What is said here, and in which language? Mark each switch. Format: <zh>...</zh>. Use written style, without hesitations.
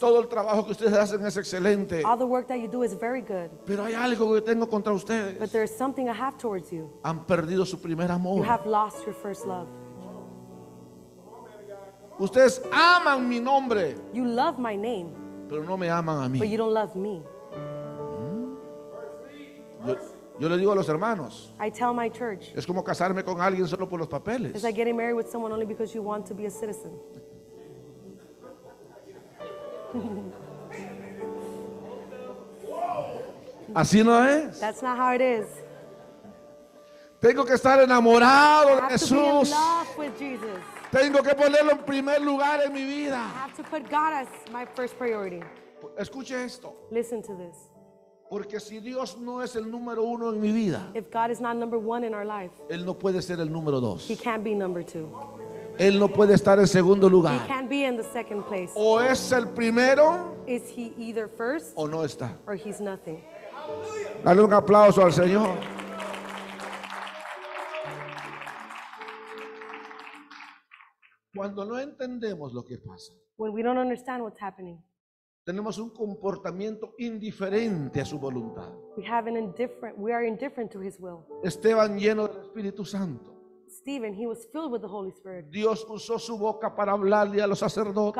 <es>Todo el trabajo que ustedes hacen es excelente.</es> <en>All the work that you do is very good.</en> <es>Pero hay algo que tengo contra ustedes.</es> <en>But there is something I have towards you.</en> <es>Han perdido su primer amor.</es> <en>You have lost your first love.</en> <es>Ustedes aman mi nombre.</es> <en>You love my name.</en> <es>Pero no me aman a mí.</es> <en>But you don't love me.</en> <es>Yo le digo a los hermanos.</es> <en>I tell my church.</en> <es>Es como casarme con alguien solo por los papeles.</es> <en>It's like getting married with someone only because you want to be a citizen.</en> <es>Así no es.</es> <en>That's not how it is.</en> <es>Tengo que estar enamorado de Jesús.</es> <en>I have to be in love with Jesus.</en> <es>Tengo que ponerlo en primer lugar en mi vida.</es> <en>I have to put God as my first priority.</en> <es>Escuche esto.</es> <en>Listen to this.</en> <es>Porque si Dios no es el número uno en mi vida,</es> <en>if God is not number one in our life,</en> <es>Él no puede ser el número dos.</es> <en>He can't be number two.</en> <es>Él no puede estar en segundo lugar.</es> <en>He can't be in the second place.</en> <es>O es el primero,</es> <en>is he either first,</en> <es>o no está.</es> <en>Or he's nothing.</en> <es>Dale un aplauso al Señor. Cuando no entendemos lo que pasa,</es> <en>when we don't understand what's happening,</en> <es>tenemos un comportamiento indiferente a su voluntad.</es> <en>We are indifferent to his will.</en> <es>Esteban lleno del Espíritu Santo.</es> <en>Stephen, he was filled with the Holy Spirit.</en> <es>Dios usó su boca para hablarle a los sacerdotes.</es>